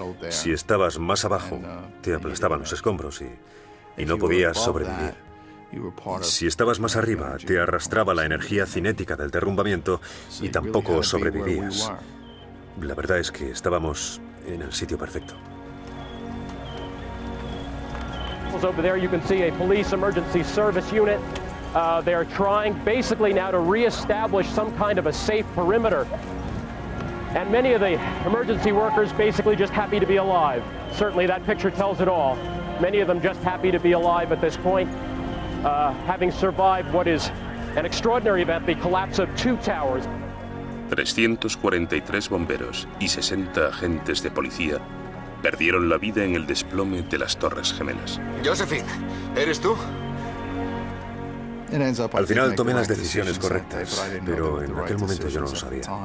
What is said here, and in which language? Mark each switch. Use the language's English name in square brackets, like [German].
[Spanish] Si estabas más abajo, te aplastaban los escombros y no podías sobrevivir. Si estabas más arriba, te arrastraba la energía cinética del derrumbamiento y tampoco sobrevivías. La verdad es que estábamos en el sitio perfecto. [English] Over there you can see a police emergency service unit. They are trying basically now to reestablish some kind of a safe perimeter. And many of the emergency workers basically just happy to be alive. Certainly that picture tells it all. Many of them just happy to be alive at this point. having survived what is an extraordinary event, the collapse of two towers. [Spanish] 343 bomberos y 60 agentes de policía perdieron la vida en el desplome de las Torres Gemelas. Josephine, ¿eres tú? Al final tomé las decisiones correctas, pero en aquel momento yo no lo sabía.